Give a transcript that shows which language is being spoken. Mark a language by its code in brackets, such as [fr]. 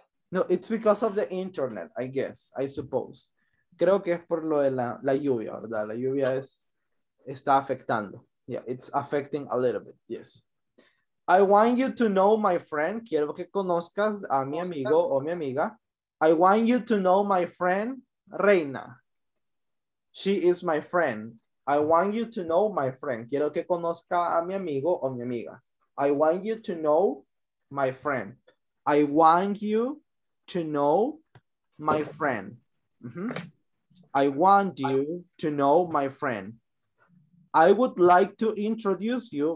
[en] No, it's because of the internet, I guess, I suppose. [es] Creo que es por lo de la lluvia, ¿verdad? La lluvia está afectando. [en] Yeah, it's affecting a little bit, yes. I want you to know my friend. [es] Quiero que conozcas a mi amigo o mi amiga. [en] I want you to know my friend, Reina. She is my friend. I want you to know my friend. [es] Quiero que conozca a mi amigo o mi amiga. [en] I want you to know my friend. I want you to know my friend. Mm-hmm. I want you to know my friend. I would like to introduce you.